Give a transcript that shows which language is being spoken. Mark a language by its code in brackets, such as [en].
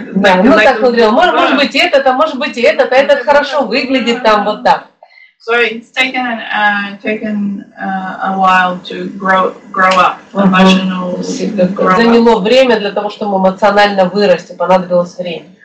[ru] Да, ну like, так смотрел, like, может быть этот, а этот хорошо выглядит там вот так. [en] So it's taken a while to grow up emotional. [ru] Заняло время для того, чтобы эмоционально вырасти, понадобилось время.